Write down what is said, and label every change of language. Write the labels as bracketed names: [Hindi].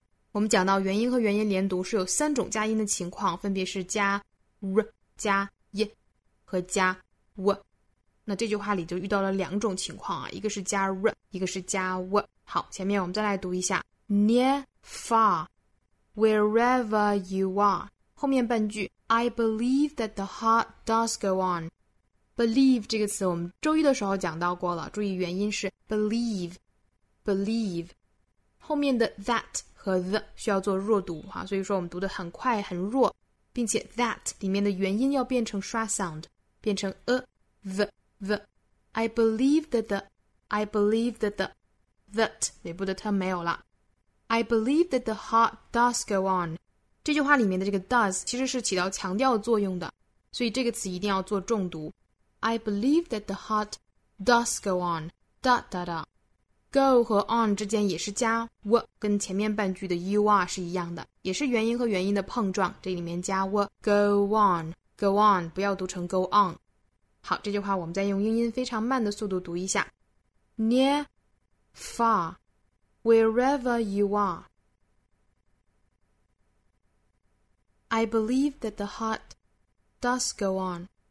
[Chinese] 我们讲到元音和元音连读是有三种加音的情况，分别是加 r 加 y 和加 w。那这句话里就遇到了两种情况啊，一个是加 r 一个是加 w。好，前面我们再来读一下 [English] Near, far, wherever you are。 [Chinese] 后面半句 [English] I believe that the heart does go on。 [Chinese] Believe 这个词我们周一的时候讲到过了，注意元音是 believe believe，后面的 that 和 the 需要做弱读啊，所以说我们读得很快很弱，并且 that 里面的元音要变成 schwa sound， 变成 a the the。 [English] I believe that the I believe that the that [Chinese] 尾部的 t 没有了。 [English] I believe that the heart does go on， [Chinese] 这句话里面的这个 does 其实是起到强调作用的，所以这个词一定要做重读。 [English] I believe that the heart does go on da da da。 [Chinese] Go 和 on 之间也是加 w， 跟前面半句的 you are 是一样的，也是元音和元音的碰撞，这里面加 w。 Go on go on， 不要读成 go on。 好，这句话我们再用英音非常慢的速度读一下 [English] Near, far, wherever you are, I believe that the heart does go on。